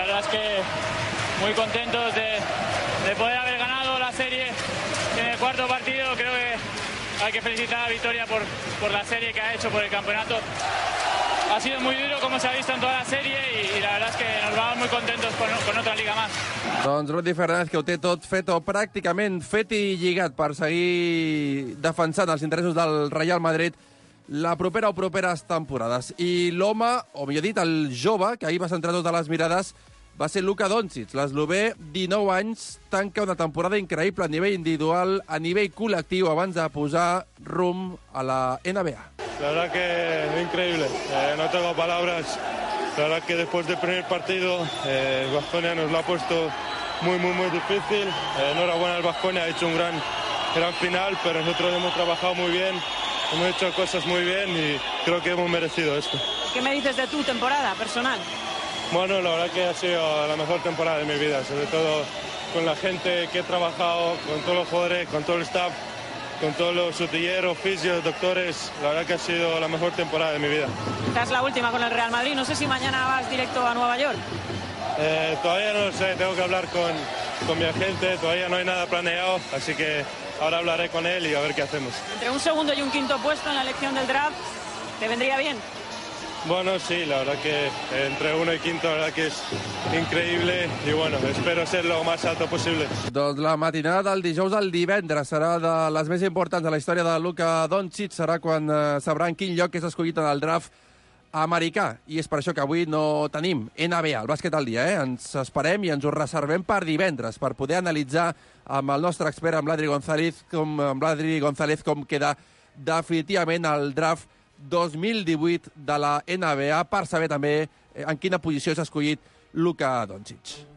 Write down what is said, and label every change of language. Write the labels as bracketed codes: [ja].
[es] Que muy contentos de poder haber ganado la serie en el cuarto partido. Creo que hay que felicitar a Vitoria por la serie que ha hecho, por el campeonato. Ha sido muy duro, como se ha visto en toda la serie, y la verdad es que nos vamos muy contentos con otra liga más. [ca] Doncs Rudy Fernández, que ho té tot fet o pràcticament fet i lligat per seguir defensant els interessos del Real Madrid la propera o properes temporades. I l'home, o millor dit, el jove, que ahir va centrar totes les mirades, va ser Luka Doncic. L'eslové, 19 anys, tanca una temporada increïble a nivell individual, a nivell col·lectiu, abans de posar rumb a la NBA. [es] La verdad que es increíble. No tengo palabras. La verdad que después del primer partido, el Baskonia nos lo ha puesto muy, muy, muy difícil. Enhorabuena al Baskonia, ha hecho un gran gran final, pero nosotros hemos trabajado muy bien, hemos hecho cosas muy bien y creo que hemos merecido esto. ¿Qué me dices de tu temporada personal? Bueno, la verdad que ha sido la mejor temporada de mi vida, sobre todo con la gente que he trabajado, con todos los jugadores, con todo el staff, con todos los sutilleros, fisios, doctores. La verdad que ha sido la mejor temporada de mi vida. Quizás la última con el Real Madrid. No sé si mañana vas directo a Nueva York. Todavía no lo sé. Tengo que hablar con mi agente. Todavía no hay nada planeado. Así que ahora hablaré con él y a ver qué hacemos. Entre un segundo y un quinto puesto en la elección del draft, ¿te vendría bien? Bueno, sí, la verdad que entre uno y quinto, la verdad que es increíble y bueno, espero ser lo más alto posible. [ca] Doncs la matinada del dijous al divendres serà de les més importants de la història de Luka Doncic, serà quan sabrà en quin lloc és escollit en el draft americà. I és per això que avui no tenim NBA, el bàsquet al dia, eh? Ens esperem i ens ho reservem per divendres, per poder analitzar amb el nostre expert, amb l'Adri González, com queda definitivament el draft 2018 de la NBA, per saber també en quina posició s'ha escollit Luka Doncic.